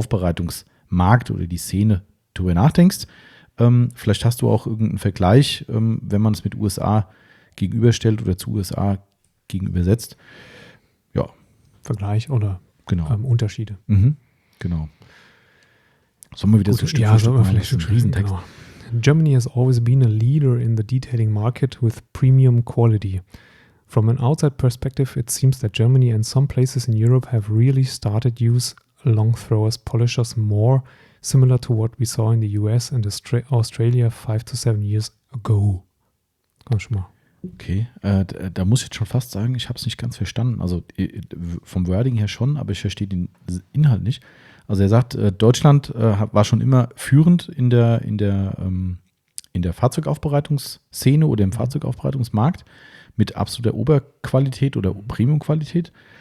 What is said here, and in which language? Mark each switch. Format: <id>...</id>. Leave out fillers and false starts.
<de>Fahrzeugaufbereitungsmarkt oder die Szene drüber nachdenkst? Vielleicht hast du auch irgendeinen Vergleich, wenn man es mit USA gegenüberstellt oder zu USA gegenübersetzt. Ja. Vergleich oder? Genau. Unterschiede. Mhm. Genau. Sollen wir wieder so Stück für Stück machen? Vielleicht ein Riesentext. Genau.</de> <en>Germany has always been a leader in the detailing market with premium quality. From an outside perspective, it seems that Germany and some places in Europe have really started to use long throwers polishers more similar to what we saw in the US and Australia 5 to 7 years ago.</en> <de>Komm schon mal. Okay, da muss ich jetzt schon fast sagen, ich habe es nicht ganz verstanden. Also vom Wording her schon, aber ich verstehe den Inhalt nicht. Also er sagt, Deutschland war schon immer führend in der Fahrzeugaufbereitungsszene oder im Fahrzeugaufbereitungsmarkt mit absoluter Oberqualität oder Premiumqualität.</de>